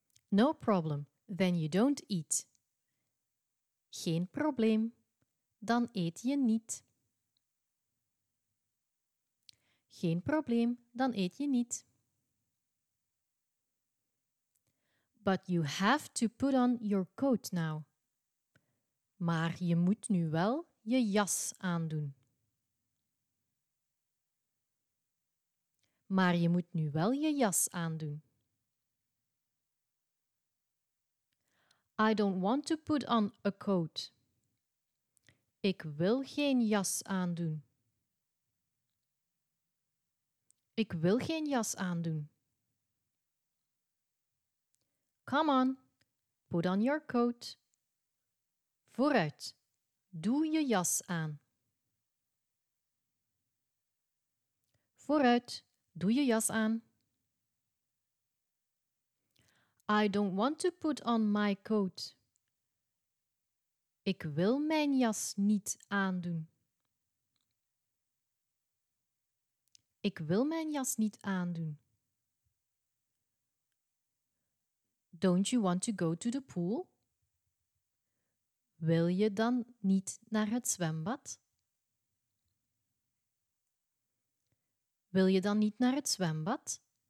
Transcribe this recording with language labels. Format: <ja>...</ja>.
<en>No problem, then you don't eat.</en> <nl>Geen probleem, dan eet je niet. Geen probleem, dan eet je niet.</nl> <en>But you have to put on your coat now.</en> <nl>Maar je moet nu wel je jas aandoen. Maar je moet nu wel je jas aandoen.</nl> <en>I don't want to put on a coat.</en> <nl>Ik wil geen jas aandoen. Ik wil geen jas aandoen.</nl> <en>Come on, put on your coat.</en> <nl>Vooruit, doe je jas aan. Vooruit, doe je jas aan.</nl> <en>I don't want to put on my coat.</en> <nl>Ik wil mijn jas niet aandoen. Ik wil mijn jas niet aandoen.</nl> <en>Don't you want to go to the pool?</en> <nl>Wil je dan niet naar het zwembad? Wil je dan niet naar het zwembad?</nl>